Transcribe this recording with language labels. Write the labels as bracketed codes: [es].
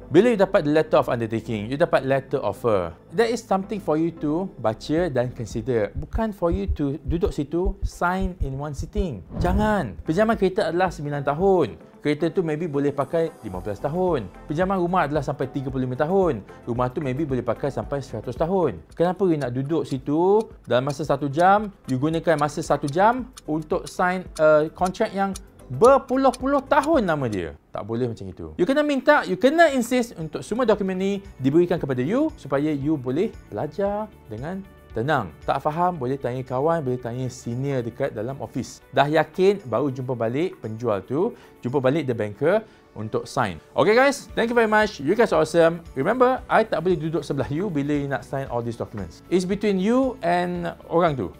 [en] Bila you dapat the letter of undertaking, you dapat letter offer, that is something for you to baca dan consider. Bukan for you to duduk situ, sign in one sitting. Jangan. [ms] Pinjaman kereta adalah 9 tahun. Kereta tu maybe boleh pakai 15 tahun. Pinjaman rumah adalah sampai 35 tahun. Rumah tu maybe boleh pakai sampai 100 tahun. Kenapa you nak duduk situ dalam masa 1 jam, you gunakan masa 1 jam untuk sign a contract yang berpuluh-puluh tahun nama dia? Tak boleh macam itu. You kena minta, you kena insist untuk semua dokumen ni diberikan kepada you supaya you boleh belajar dengan tenang. Tak faham, boleh tanya kawan, boleh tanya senior dekat dalam office. Dah yakin, baru jumpa balik penjual tu, jumpa balik the banker untuk sign. [en] Okay guys, thank you very much. You guys are awesome. Remember, I tak boleh duduk sebelah you bila you nak sign all these documents. It's between you and orang tu.